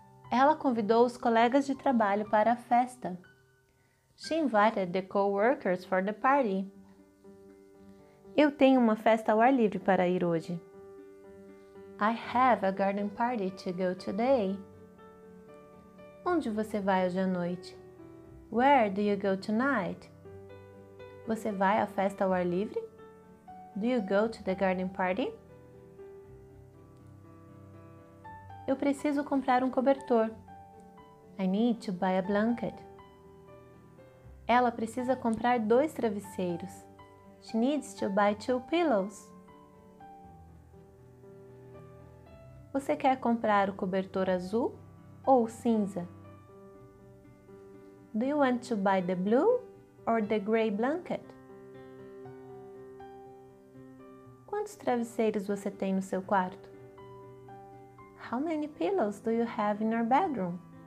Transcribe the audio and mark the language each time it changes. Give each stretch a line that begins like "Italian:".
Portuguese: Ela convidou os colegas de trabalho para a festa.
English: She invited the co-workers for the party.
Portuguese: Eu tenho uma festa ao ar livre para ir hoje.
English: I have a garden party to go today.
Portuguese: Onde você vai hoje à noite?
English: Where do you go tonight?
Portuguese: Você vai à festa ao ar livre?
English: Do you go to the garden party?
Portuguese: Eu preciso comprar um cobertor.
English: I need to buy a blanket.
Portuguese: Ela precisa comprar dois travesseiros.
English: She needs to buy two pillows.
Portuguese: Você quer comprar o cobertor azul ou cinza?
English: Do you want to buy the blue or the gray blanket?
Portuguese: Quantos travesseiros você tem no seu quarto?
English: How many pillows do you have in your bedroom?